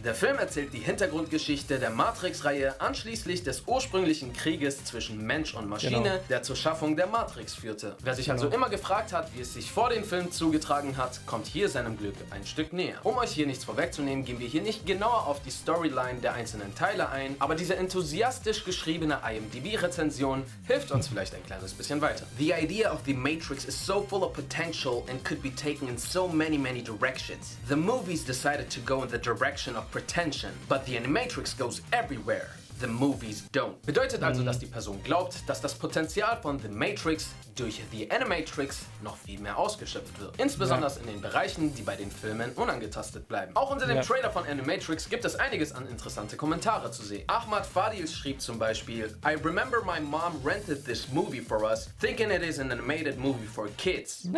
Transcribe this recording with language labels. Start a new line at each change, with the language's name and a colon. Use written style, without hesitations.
German: Der Film erzählt die Hintergrundgeschichte der Matrix-Reihe anschließend des ursprünglichen Krieges zwischen Mensch und Maschine, der zur Schaffung der Matrix führte. Wer sich also immer gefragt hat, wie es sich vor dem Film zugetragen hat, kommt hier seinem Glück ein Stück näher. Um euch hier nichts vorwegzunehmen, gehen wir hier nicht genauer auf die Storyline der einzelnen Teile ein, aber diese enthusiastisch geschriebene IMDb-Rezension hilft uns vielleicht ein kleines bisschen weiter.
English: The idea of the Matrix is so full of potential and could be taken in so many, many directions. The movies decided to go in the direction of pretension, but the Animatrix goes everywhere. The movies don't.
German: Bedeutet also, dass die Person glaubt, dass das Potenzial von The Matrix durch The Animatrix noch viel mehr ausgeschöpft wird. Insbesondere in den Bereichen, die bei den Filmen unangetastet bleiben. Auch unter dem Trailer von Animatrix gibt es einiges an interessante Kommentare zu sehen. Ahmad Fadil schrieb zum Beispiel:
English: I remember my mom rented this movie for us, thinking it is an animated movie for kids.